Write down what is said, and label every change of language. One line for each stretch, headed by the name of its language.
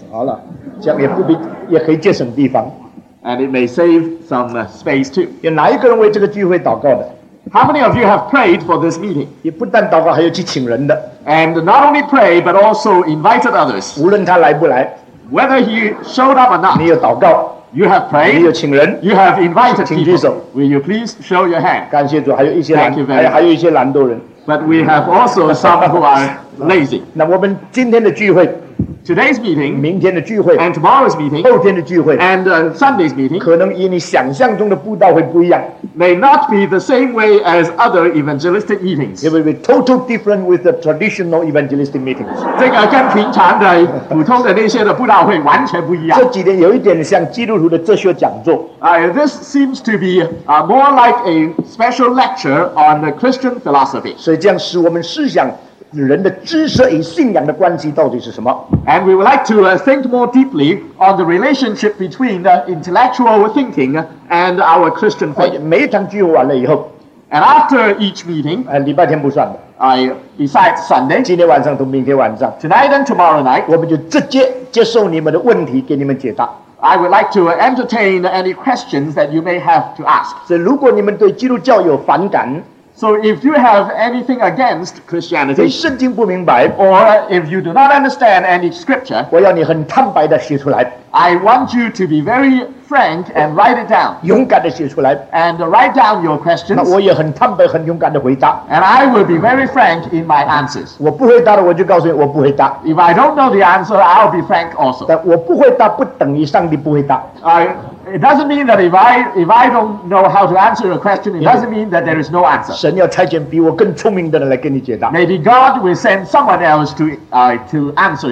Chinese: 好了，这样也不必，也可以节省地方。
English: And it may save some space too.
Chinese: 有哪一个人为这个聚会祷告的？
English: How many of you have prayed for this meeting?
Chinese: 也不但祷告，还有去请人的。
English: And not only pray, but also invited others.
Chinese: 无论他来不来，
English: whether he showed up or not,
Chinese: 你有祷告，
English: you have prayed,
Chinese: 你有请人，
English: you have invited people.
Chinese: 请举手。
English: Will you please show your hand?
Chinese: 感谢主，还有一些懒惰人。
English: But we have also some who are lazy.
Chinese: 那我们今天的聚会。
English: Today's meeting,
Chinese: 明天的聚会，
English: and tomorrow's meeting,
Chinese: 后天的聚会，
English: and Sunday's meeting,
Chinese: 可能与你想象中的布道会不一样，
English: may not be the same way as other evangelistic meetings. It will be totally different with the traditional evangelistic meetings.
Chinese: 这个跟平常的普通的那些的布道会完全不一样。这几天有一点像基督徒的哲学讲座。
English: This seems to be more like a special lecture on the Christian philosophy.
Chinese: 所以这样使我们思想人的知识与信仰的关系到底是什么？
English: And we would like to think more deeply on the relationship between the intellectual thinking and our Christian faith.
Chinese: 每一场聚会完了以后，
English: and after each meeting,
Chinese: 礼拜天不算的，
English: besides Sunday,
Chinese: 今天晚上和明天晚上，
English: tonight and tomorrow night,
Chinese: 我们就直接接受你们的问题，给你们解答。
English: I would like to entertain any questions that you may have to ask.
Chinese: 所以如果你们对基督教有反感，
English: So if you have anything against Christianity,
Chinese: 对圣经不明白，
English: or if you do not understand any scripture,
Chinese: 我要你很坦白地写出来。
English: I want you to be very frank and write it down.
Chinese: 勇敢地写出来。
English: And write down your questions.
Chinese: 那我也很坦白，很勇敢地回答。
English: And I will be very frank in my answers.
Chinese: 我不回答的，我就告诉你我不回答。
English: If I don't know the answer, I'll be frank also.
Chinese: 但我不回答不等于上帝不回答。
English: It doesn't mean that if I don't know how to answer a question, it doesn't mean that there is no answer.
Chinese: 神要差遣比我更聪明的人来给你解答。
English: Maybe God will send someone else to answer your question.